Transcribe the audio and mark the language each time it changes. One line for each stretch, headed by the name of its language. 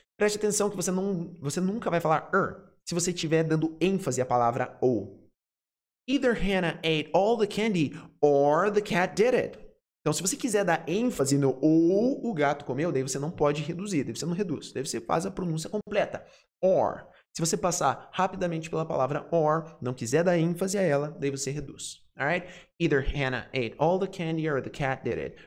Portuguese: Preste atenção que você nunca vai falar se você estiver dando ênfase à palavra ou.
English: Either Hannah ate all the candy or the cat did it.
Portuguese: Então, se você quiser dar ênfase no ou o gato comeu, daí você não pode reduzir, daí você não reduz, daí você faz a pronúncia completa. Or. Se você passar rapidamente pela palavra or, não quiser dar ênfase a ela, daí você reduz.
English: Alright? Either Hannah ate all the candy or the cat did it.